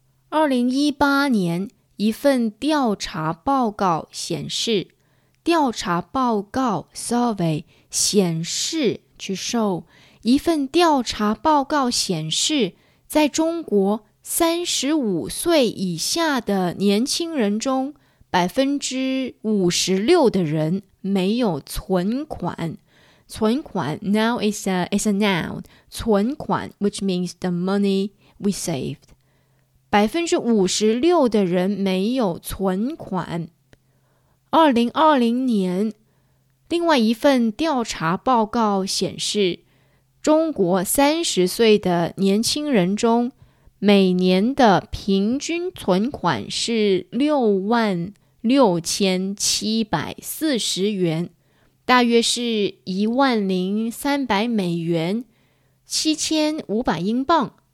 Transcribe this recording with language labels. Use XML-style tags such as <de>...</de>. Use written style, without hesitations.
<zh>2018年一份调查报告显示，调查报告 survey 显示去 show, 一份调查报告显示，在中国35岁以下的年轻人中 ,56% 的人没有存款。</zh> <en>存款 now is a noun, 存款 which means the money we saved.</en> <zh>56% 的人没有存款。 2020年另外一份调查报告显示，中国30岁的年轻人中每年的平均存款是66,740元，大约是10,300美元，7,500英镑。</zh>